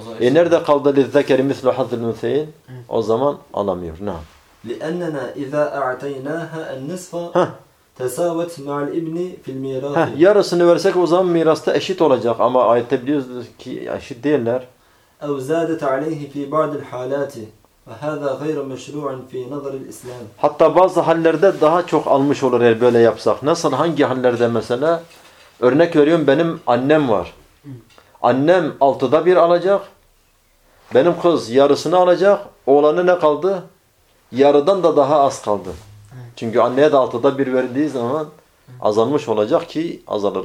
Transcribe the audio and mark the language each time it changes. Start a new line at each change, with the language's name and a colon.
Turkish: Nerede kaldı
Arabic: lizzekeri mislu hazzil müseyin?
Turkish: O zaman alamıyor.
Arabic: لِأَنَّنَا اِذَا اَعْتَيْنَاهَا النِّسْفَ تَسَاوَتْ مَعَ الْاِبْنِ فِي الْمِيرَاثِ.
Turkish: Yarısını versek o zaman mirasta eşit olacak. Ama ayette biliyoruz ki eşit değiller.
Arabic: اَوْ زَادَتْ عَلَيْهِ فِي بَعْدِ الْحَالَاتِ. وهذا غير مشروع في نظر الإسلام.
Turkish: Hatta bazı hallerde daha çok almış olur eğer böyle yapsak. Nasıl, hangi hallerde mesela? Örnek veriyorum, benim annem var. Annem 6'da 1 alacak. Benim kız yarısını alacak. Oğlanı ne kaldı? Yarıdan da daha az kaldı. Çünkü anneye de 6'da 1 verdiği zaman azalmış olacak ki azalır.